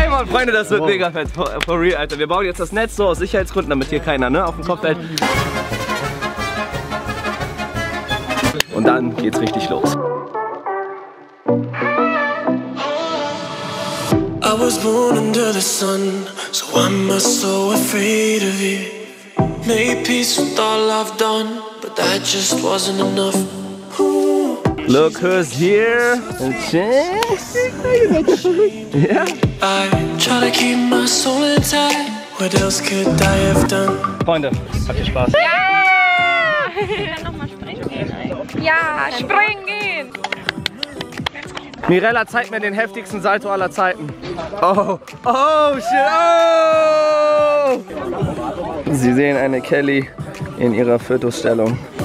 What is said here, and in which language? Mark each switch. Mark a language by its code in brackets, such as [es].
[de] Freunde, das wird mega fett. [en] For real, [de] Alter. Wir bauen jetzt das Netz so aus Sicherheitsgründen, damit hier keiner, ne, auf den Kopf fällt. Und dann geht's richtig los. [en] I was born under the sun, so I'm so afraid of you. Made peace with all I've done, but that just wasn't enough. Look who's here. Yeah. I try to keep my soul intact. What else could I have done? [de] Freunde, habt ihr Spaß? Ja! Ja, nochmal springen gehen. Mirella, zeig mir den heftigsten Salto aller Zeiten. Oh, oh, shit. Oh. Sie sehen eine Kelly in ihrer Fötusstellung.